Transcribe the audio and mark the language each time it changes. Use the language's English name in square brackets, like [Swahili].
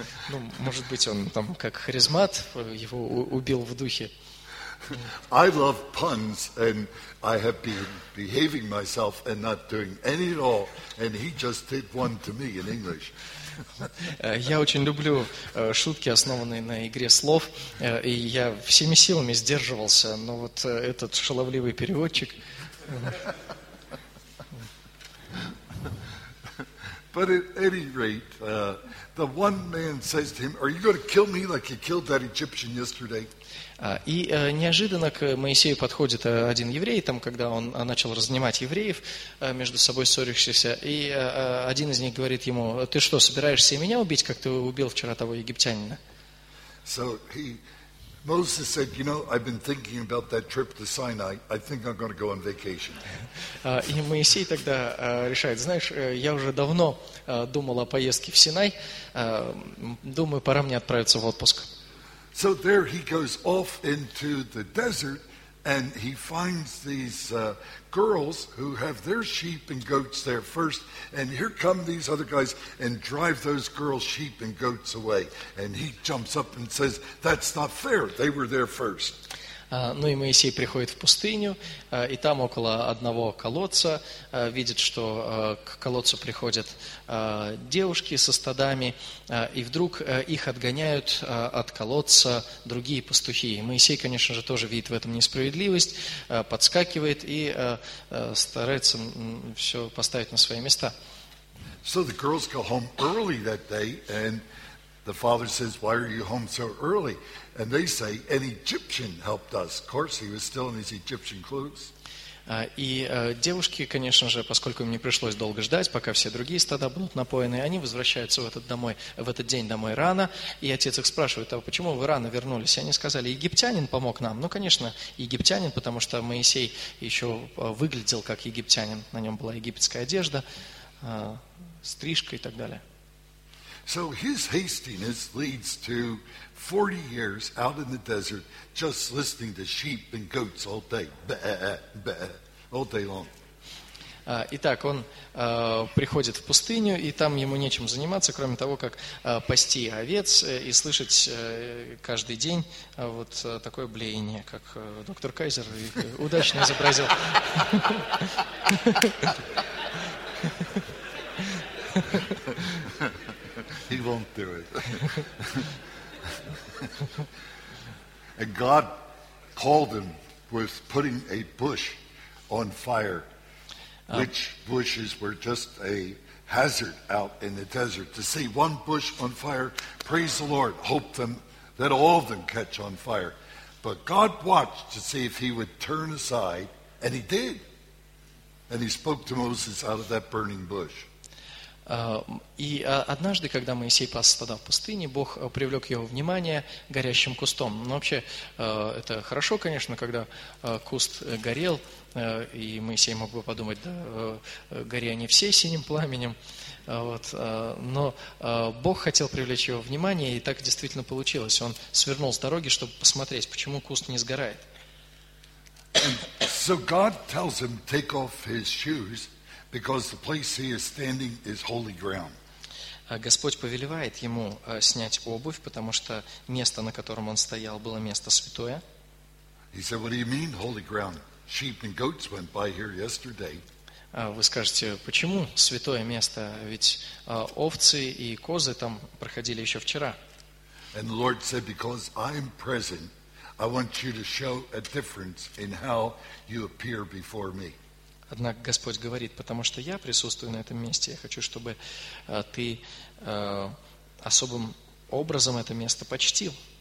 [Russian] Ну, может быть, он там как харизмат его убил в духе. [English] I love puns, and I have been behaving myself and not doing any at all, and he just did one to me in English. [Russian] Я очень люблю шутки, основанные на игре слов, и я всеми силами сдерживался, но вот этот шаловливый переводчик... [English] But at any rate, the one man says to him, "Are you going to kill me like you killed that Egyptian yesterday?" [Russian] И неожиданно к Моисею подходит один еврей, там, когда он начал разнимать евреев между собой ссорившихся, и один из них говорит ему: "Ты что, собираешься и меня убить, как ты убил вчера того египтянина?" [English] So he, Moses said, "You know, I've been thinking about that trip to Sinai. I think I'm going to go on vacation." [Russian] И Моисей тогда решает: "Знаешь, я уже давно думал о поездке в Синай. Думаю, пора мне отправиться в отпуск." [English] So there he goes off into the desert, and he finds these girls who have their sheep and goats there first. And here come these other guys and drive those girls' sheep and goats away. And he jumps up and says, "That's not fair. They were there first." [Russian] Ну и Моисей приходит в пустыню, и там около одного колодца видит, что к колодцу приходят девушки со стадами, и вдруг их отгоняют от колодца другие пастухи. И Моисей, конечно же, тоже видит в этом несправедливость, подскакивает и старается все поставить на свои места. [English] So the girls go home early that day, and the father says, "Why are you home so early?" And they say, "An Egyptian helped us." Of course, he was still in his Egyptian clothes. [Russian] И девушки, конечно же, поскольку им не пришлось долго ждать, пока все другие стада будут напоены, они возвращаются в этот день домой рано. И отец их спрашивает: "А почему вы рано вернулись?" И они сказали: "Египтянин помог нам." Ну, конечно, египтянин, потому что Моисей еще выглядел как египтянин. На нем была египетская одежда, стрижка и так далее. [English] So his hastiness leads to 40 years out in the desert, just listening to sheep and goats all day, bah, bah, all day long. [Russian] Итак, он приходит в пустыню, и там ему нечем заниматься, кроме того, как пасти овец и слышать каждый день вот такое блеяние, как доктор Кайзер удачно изобразил. [English] He won't do it. And God called him with putting a bush on fire, which bushes were just a hazard out in the desert. To see one bush on fire, praise the Lord, hope them that all of them catch on fire. But God watched to see if he would turn aside, and he did. And he spoke to Moses out of that burning bush. [Russian] И однажды, когда Моисей пас стада в пустыне, Бог привлек его внимание горящим кустом. Но вообще, это хорошо, конечно, когда куст горел, и Моисей мог бы подумать, да, гори они все синим пламенем. Вот. Но Бог хотел привлечь его внимание, и так действительно получилось. Он свернул с дороги, чтобы посмотреть, почему куст не сгорает. [English] So God tells him, take off his shoes. Because the place he is standing is holy ground. [Russian] Господь повелевает ему снять обувь, потому что место, на котором он стоял, было место святое. [English] He said, "What do you mean, holy ground? Sheep and goats went by here yesterday." [Russian] Вы скажете, почему святое место? Ведь овцы и козы там проходили еще вчера. [English] And the Lord said, "Because I am present, I want you to show a difference in how you appear before me." [Russian] Однако Господь говорит, потому что я присутствую на этом месте, я хочу, чтобы ты особым образом это место почтил.